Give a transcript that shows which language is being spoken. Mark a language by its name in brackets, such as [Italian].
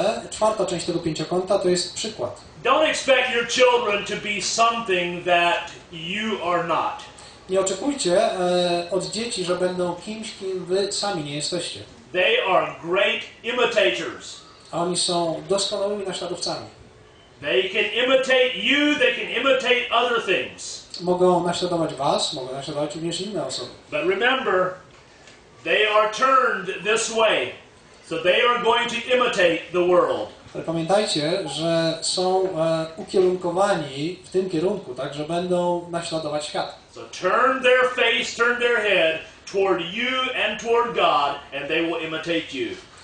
[Polish] Czwarta część tego pięciokąta to jest przykład. [English] Don't expect your children to be something that you are not. [Polish] Nie oczekujcie od dzieci, że będą kimś, kim wy sami nie jesteście. [English] They are great imitators. [Polish] A oni są doskonałymi naśladowcami. [English] They can imitate you, they can imitate other things. [Polish] Mogą naśladować was, mogą naśladować również inne osoby. [English] But remember, they are turned this way, so they are going to imitate the world. [Polish] Ale pamiętajcie, że są ukierunkowani w tym kierunku, tak, że będą naśladować świat. [English] So turn their face, turn their head toward you and toward God, and they will imitate you.